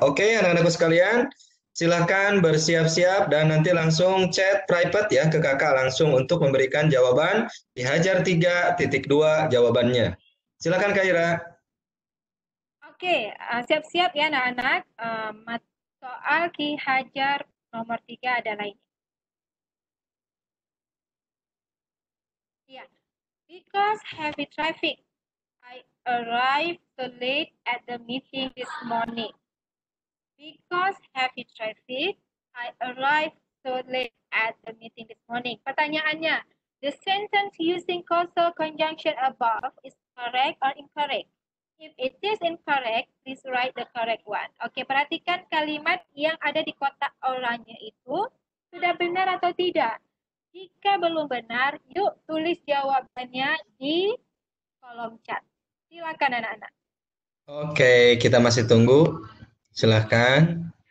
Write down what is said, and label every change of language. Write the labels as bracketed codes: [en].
[id] Oke, anak-anakku sekalian, silakan bersiap-siap dan nanti langsung chat private ya ke Kakak langsung untuk memberikan jawaban Ki Hajar 3.2 jawabannya. Silakan Kak Ira. Oke, siap-siap ya anak-anak. Soal Ki Hajar nomor 3 adalah ini. [en] Ya, because heavy traffic, I arrived late at the meeting this morning. Because heavy traffic, I arrived so late at the meeting this morning. [id] Pertanyaannya, [en] the sentence using causal conjunction above is correct or incorrect? If it is incorrect, please write the correct one. [id] Oke, perhatikan kalimat yang ada di kotak oranye itu sudah benar atau tidak. Jika belum benar, yuk tulis jawabannya di kolom chat. Silakan anak-anak. Oke, kita masih tunggu. Silakan.